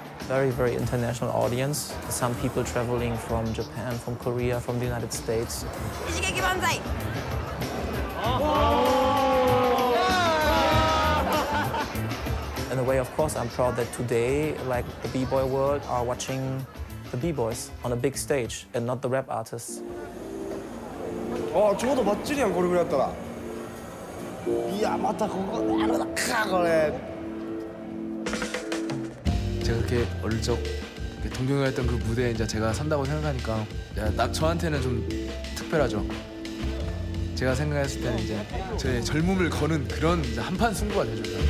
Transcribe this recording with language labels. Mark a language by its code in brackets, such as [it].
[en] Very, very international audience. Some people traveling from Japan, from Korea, from the United States. Ishigeki Banzai! In a way, of course, I'm proud that today, like the b-boy world, are watching the b-boys on a big stage and not the rap artists. [ja] Oh, ちょうどバッチリやん, これ ぐらいだったら。 [ko] 이야, 맞다, 그거, 나, 크, 그래. 제가 그렇게 어릴 적 동경했던 그 무대에 이제 제가 산다고 생각하니까 이제 딱 저한테는 좀 특별하죠. 제가 생각했을 때는 이제 저의 젊음을 거는 그런 이제 한판 승부가 되죠.